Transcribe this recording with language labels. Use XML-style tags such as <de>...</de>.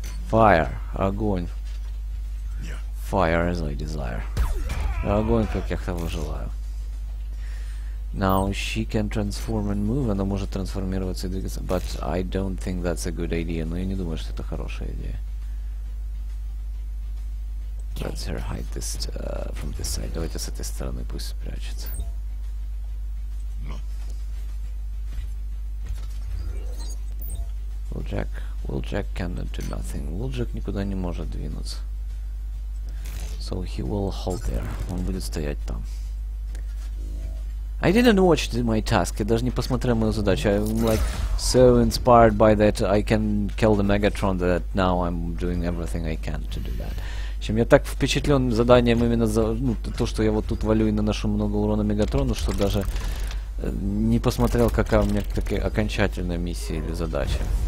<en>Fire,</en> <ru>огонь.</ru> <en>Fire as I desire.</en> <ru>Огонь, как я того желаю.</ru> <en>Now she can transform and move.</en> <ru>Она может трансформироваться и двигаться.</ru> <en>But I don't think that's a good idea.</en> <ru>Но я не думаю, что это хорошая идея.</ru> <en>Let's her hide this from this side.</en> <ru>Давайте с этой стороны пусть спрячется. Wheeljack.</ru> <en>Wheeljack cannot do nothing.</en> <ru>Wheeljack никуда не может двинуться.</ru> <en>So he will hold there.</en> <ru>Он будет стоять там.</ru> <en>I didn't watch my task.</en> <ru>Я даже не посмотрел мою задачу.</ru> <en>I'm like so inspired by that I can kill the Megatron that now I'm doing everything I can to do that.</en> <ru>Чем я так впечатлен заданием именно за, ну, то, что я вот тут валю и наношу много урона Мегатрону, что даже не посмотрел, какая у меня такая окончательная миссия или задача.</ru>